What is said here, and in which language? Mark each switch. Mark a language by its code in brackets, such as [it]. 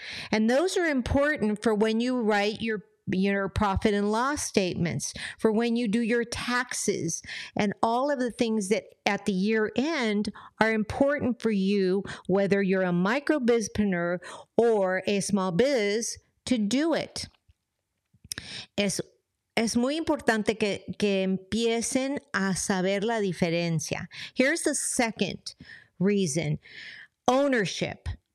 [en] And those are important for when you write your profit and loss statements, for when you do your taxes, and all of the things that at the year end are important for you, whether you're a micro businesspreneur or a small biz, to do it. [es] Es muy importante que empiecen a saber la diferencia. [en] Here's the second reason. Ownership.